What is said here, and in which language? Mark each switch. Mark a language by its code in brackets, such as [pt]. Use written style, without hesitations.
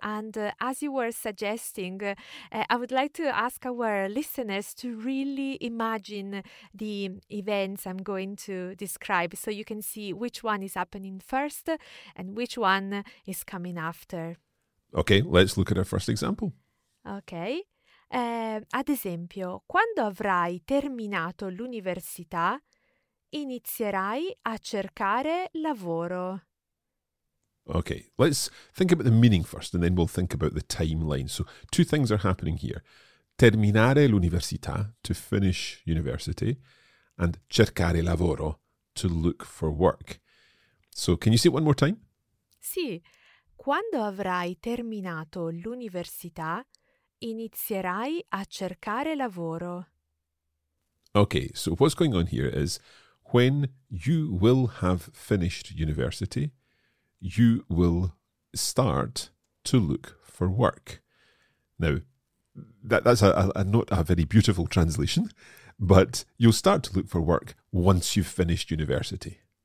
[en] And as you were suggesting, I would like to ask our listeners to really imagine the events I'm going to describe so you can see which one is happening first and which one is coming after. Okay, let's look at our first example. Okay. [it] Ad esempio, quando avrai terminato l'università, inizierai a cercare lavoro. [en] Okay, let's think about the meaning first and then we'll think about the timeline. So two things are happening here. [it] terminare l'università, [en] to finish university, and [it] cercare lavoro, [en] to look for work. So, can you say it one more time? [it] Sì. Quando avrai terminato l'università, inizierai a cercare lavoro. [en] Okay, so what's going on here is, when you will have finished university, you will start to look for work. Now, that's not a very beautiful translation, but you'll start to look for work once you've finished university.